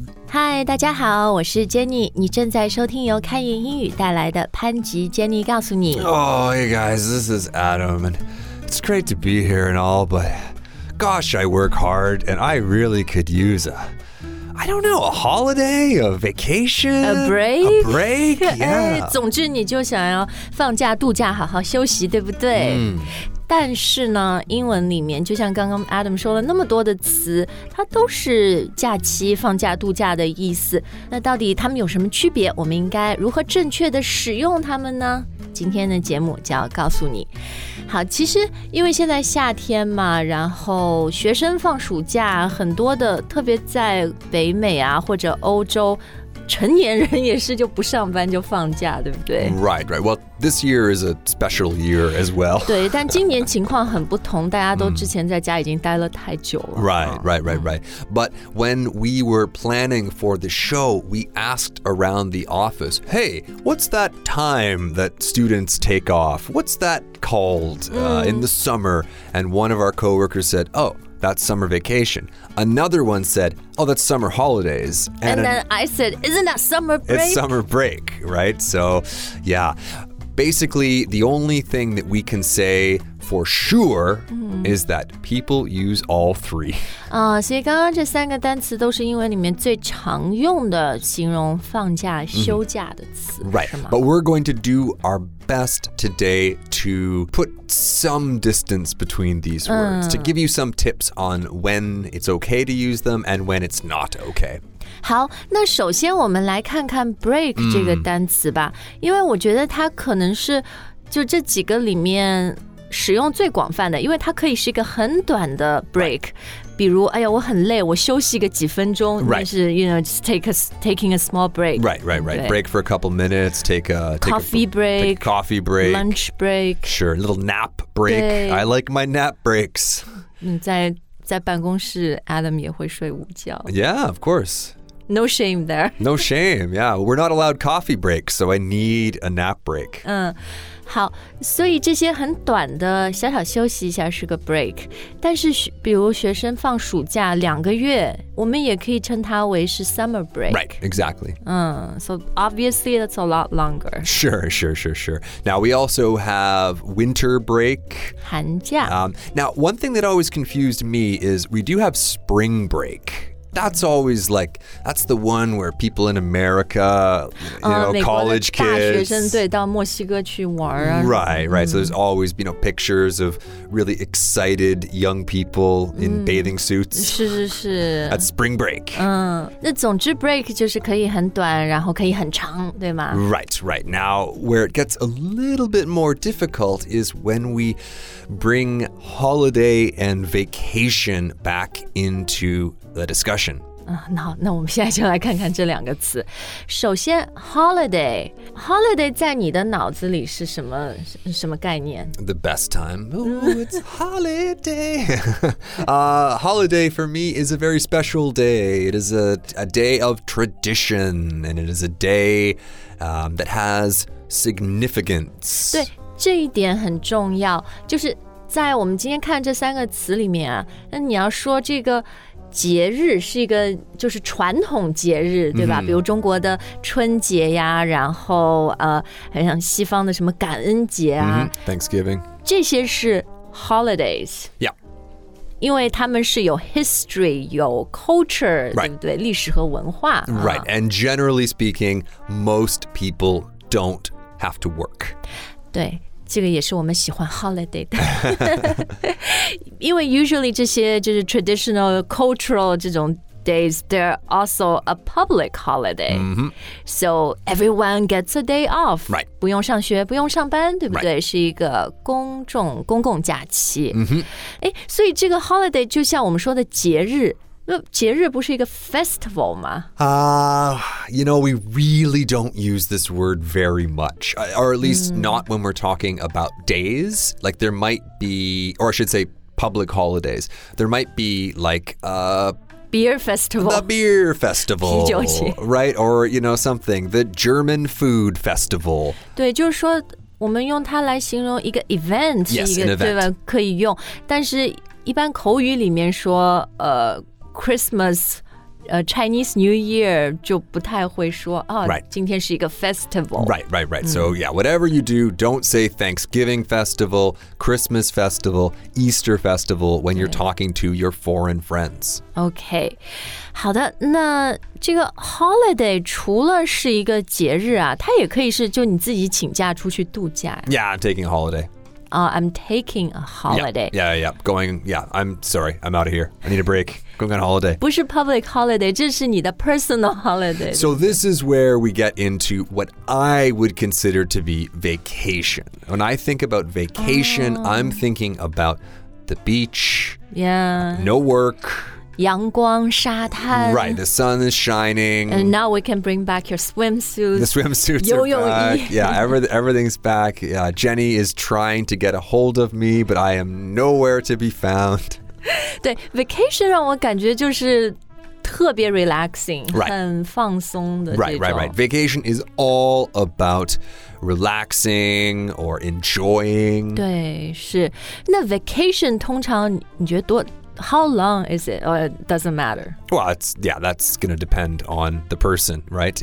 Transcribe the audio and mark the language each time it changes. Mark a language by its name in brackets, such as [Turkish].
[Chinese] 嗨，大家好，我是 Jenny。你正在收听由开言英语带来的潘吉 Jenny 告诉你。 [English] Oh, hey guys, this is Adam, and it's great to be here and all, but gosh, I work hard, and I really could use a holiday, a vacation, a break, yeah. [Chinese] 总之你就想要放假度假好好休息，对不对？嗯。但是呢，英文里面就像刚刚 Adam 说了那么多的词，它都是假期、放假、度假的意思。那到底它们有什么区别？我们应该如何正确的使用它们呢？今天的节目就要告诉你。好，其实因为现在夏天嘛，然后学生放暑假，很多的，特别在北美啊或者欧洲，成年人也是就不上班就放假，对不对？ [English] Right, right. Well, this year is a special year as well. [Chinese] 对，但今年情况很不同，大家都之前在家已经待了太久了。 [English] Right, right, right, right. But when we were planning for the show, we asked around the office, hey, what's that time that students take off? What's that called in the summer? And one of our coworkers said, oh,that's summer vacation. Another one said, oh, that's summer holidays. And then I said, isn't that summer break? It's summer break, right? So, yeah. Basically, the only thing that we can say for sure is that people use all three. [Chinese] 所以刚刚这三个单词都是英文里面最常用的形容放假、休假的词。 [English] Right. But we're going to do our best today to put some distance between these words, to give you some tips on when it's okay to use them and when it's not okay. [Chinese] 好，那首先我们来看看 break 这个单词吧，因为我觉得它可能是就这几个里面使用最广泛的，因为它可以是一个很短的 break、 [English] right. [Chinese] 比如，哎呀，我很累，我休息个几分钟，但、 [English] 是 you know, just taking a small break. Right, right, right. Break for a couple minutes. Take a coffee break. Lunch break. Sure, a little nap break. I like my nap breaks. [Chinese] 在办公室 ，Adam 也会睡午觉。 [English] Yeah, of course. No shame there. No shame. Yeah, we're not allowed coffee breaks, so I need a nap break. [Chinese] 好，所以这些很短的小小休息一下是个 break， 但是比如学生放暑假两个月，我们也可以称它为是 summer break。 [English] Right, exactly. So obviously that's a lot longer. Sure, sure, sure, sure. Now we also have winter break. [Chinese] 寒假。 [English] Now one thing that always confused me is we do have spring break. That's always like, that's the one where people in America, you know, college kids. [Chinese] 大学生对到墨西哥去玩啊。 [English] Right, right. So there's always, you know, pictures of really excited young people in bathing suits. [Chinese] 是是是。 [English] At spring break. [Chinese] 那总之 break 就是可以很短然后可以很长对吗 [English] Right, right. Now, where it gets a little bit more difficult is when we bring holiday and vacation back into the discussion. [Chinese] 那我们现在就来看看这两个词。首先 ，holiday 在你的脑子里是什么概念 [English] ？The best time. Oh, it's holiday. holiday for me is a very special day. It is a day of tradition, and it is a day, that has significance. [Chinese] 对，这一点很重要。就是在我们今天看这三个词里面啊，那你要说这个。节日是一个就是传统节日对吧、比如中国的春节呀然后还像西方的什么感恩节啊、 [English] Thanksgiving [Chinese] 这些是 holidays、因为他们是有 history 有 culture、 [English] right. [Chinese] 对不对历史和文化 [English] Right、and generally speaking most people don't have to work [Chinese] 对这个也是我们喜欢 [English] holiday 的因为 usually [Chinese] 这些就是 [English] traditional cultural [Chinese] 这种 [English] days they're also a public holiday、so everyone gets a day off、 right. [Chinese] 不用上学不用上班对不对、 [English] right. [Chinese] 是一个公共假期、所以这个 holiday 就像我们说的节日节日不是一个 festival 吗 [English] You know, we really don't use this word very much. Or at least not when we're talking about days. Like there might be, or I should say public holidays. There might be like a... Beer festival. The beer festival. [Chinese] 啤酒节 [English] Right, or you know, something. The German food festival. [Chinese] 对，就是说我们用它来形容一个 event. [English] Yes, [Chinese] 一个对吧，可以用。但是一般口语里面说Christmas Chinese New Year 就不太会说、oh, [English] right. [Chinese] 今天是一个 festival. [English] Right, right, right.、Mm. So yeah, whatever you do, don't say Thanksgiving festival, Christmas festival, Easter festival when you're talking to your foreign friends. Okay. [Chinese] 好的，那这个 holiday 除了是一个节日啊，它也可以是就你自己请假出去度假。 [English] Yeah, I'm taking a holiday. I'm taking a holiday. I'm out of here. I need a break. Going on holiday. [Chinese] 不是 public holiday, 这是你的 personal holiday. [English] So this is where we get into what I would consider to be vacation. When I think about vacation, I'm thinking about the beach. Yeah. No work. [Chinese] 阳光沙滩 [English] Right, the sun is shining. And now we can bring back your swimsuits. The swimsuits are back. Yeah, everything's back. Yeah, Jenny is trying to get a hold of me, but I am nowhere to be found. [Chinese] 对 ,vacation 让我感觉就是特别 relaxing, [English] right. [Chinese] 很放松的这种。 [English] Right. Vacation is all about relaxing or enjoying. [Chinese] 对是。那 vacation 通常你觉得多 [English] How long is it? Or it doesn't matter. Well, that's going to depend on the person, right?